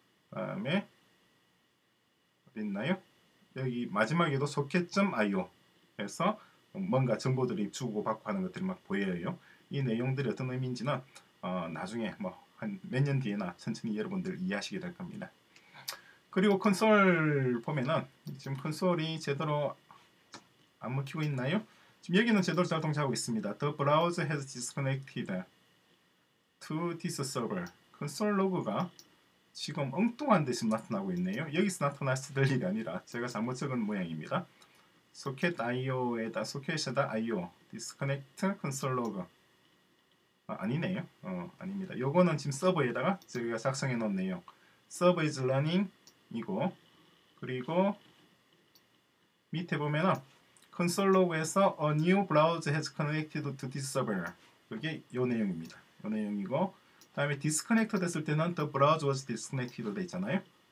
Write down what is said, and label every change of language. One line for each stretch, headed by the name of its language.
Korean: 다음에 어디 있나요? 여기 마지막에도 소켓.io 해서 뭔가 정보들이 주고받고 하는 것들이 막 보여요. 이 내용들이 어떤 의미인지는 나중에 뭐 한 몇 년 뒤에나 천천히 여러분들 이해하시게 될 겁니다. 그리고 콘솔 보면은 지금 콘솔이 제대로 안 먹히고 있나요? 지금 여기는 제대로 잘 동작하고 있습니다.
English: The browser has disconnected to this server.
Korean: 콘솔 로그가 지금 엉뚱한 데 지금 나타나고 있네요. 여기서 나타났을 일이 아니라 제가 잘못 적은 모양입니다. socket io에다 socket에다 io disconnect console log 아니네요. 아닙니다. 요거는 지금 서버에다가 저희가 작성해 놓은 내용
English: server is running
Korean: 이고 그리고 밑에 보면은 console log에서
English: a new browser has connected to this server
Korean: 그게 요 내용입니다. 요 내용이고 다음에 디스커넥트 됐을 때는
English: the browser was disconnected
Korean: 돼 있잖아요.